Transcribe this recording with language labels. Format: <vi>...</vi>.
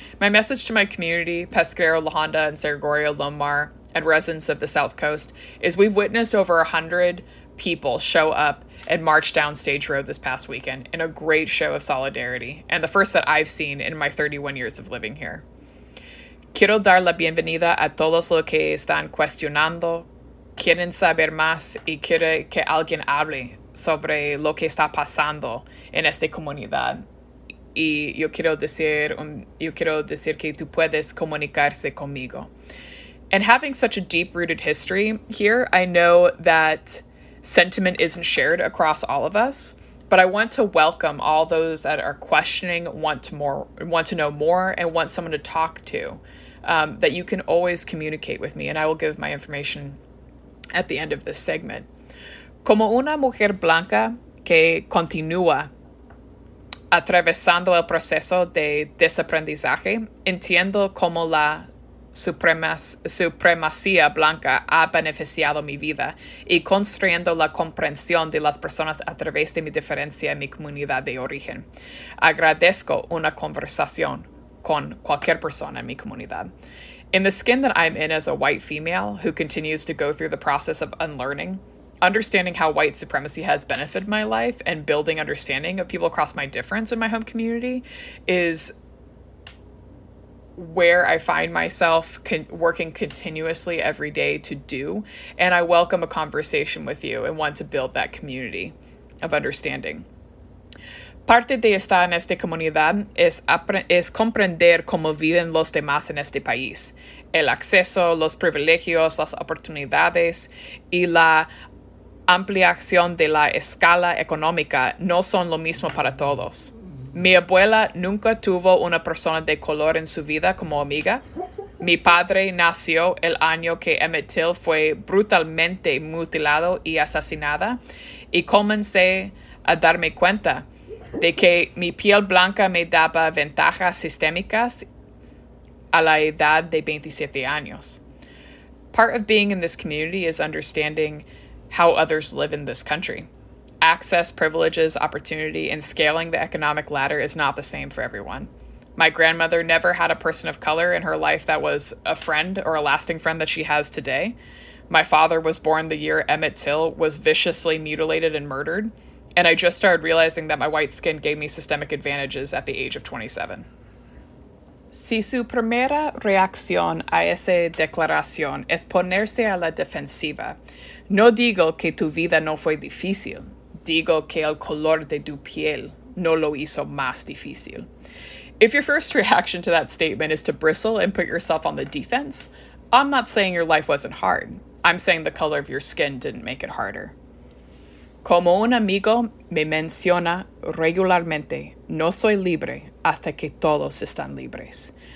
<en>My message to my community, Pescadero, La Honda, and Cerro Gordo, Lomar, and residents of the South Coast, is we've witnessed over 100 people show up and march down Stage Road this past weekend in a great show of solidarity, and the first that I've seen in my 31 years of living here.</en> <es>Quiero dar la bienvenida a todos los que están cuestionando, quieren saber más y quieren que alguien hable sobre lo que está pasando en esta comunidad. Y yo quiero decir que tú puedes comunicarse conmigo.</es> <en>And having such a deep-rooted history here, I know that sentiment isn't shared across all of us. But I want to welcome all those that are questioning, want to know more, and want someone to talk to, that you can always communicate with me. And I will give my information at the end of this segment.</en> <es>Como una mujer blanca que continúa atravesando el proceso de desaprendizaje, entiendo cómo la supremacía blanca ha beneficiado mi vida y construyendo la comprensión de las personas a través de mi diferencia en mi comunidad de origen. Agradezco una conversación con cualquier persona en mi comunidad.</es> <en>In the skin that I'm in as a white female who continues to go through the process of unlearning, understanding how white supremacy has benefited my life and building understanding of people across my difference in my home community is where I find myself working continuously every day to do. And I welcome a conversation with you and want to build that community of understanding.</en> <es>Parte de estar en esta comunidad es comprender cómo viven los demás en este país. El acceso, los privilegios, las oportunidades y la ampliación de la escala económica no son lo mismo para todos. Mi abuela nunca tuvo una persona de color en su vida como amiga. Mi padre nació el año que Emmett Till fue brutalmente mutilado y asesinada. Y comencé a darme cuenta de que mi piel blanca me daba ventajas sistémicas a la edad de 27 años.</es> <en>Part of being in this community is understanding how others live in this country. Access, privileges, opportunity, and scaling the economic ladder is not the same for everyone. My grandmother never had a person of color in her life that was a friend or a lasting friend that she has today. My father was born the year Emmett Till was viciously mutilated and murdered, and I just started realizing that my white skin gave me systemic advantages at the age of 27.</en> <es>Si su primera reacción a esa declaración es ponerse a la defensiva, no digo que tu vida no fue difícil. Digo que el color de tu piel no lo hizo más difícil.</es> <en>If your first reaction to that statement is to bristle and put yourself on the defense, I'm not saying your life wasn't hard. I'm saying the color of your skin didn't make it harder.</en> <es>Como un amigo me menciona regularmente, no soy libre hasta que todos están libres.</es>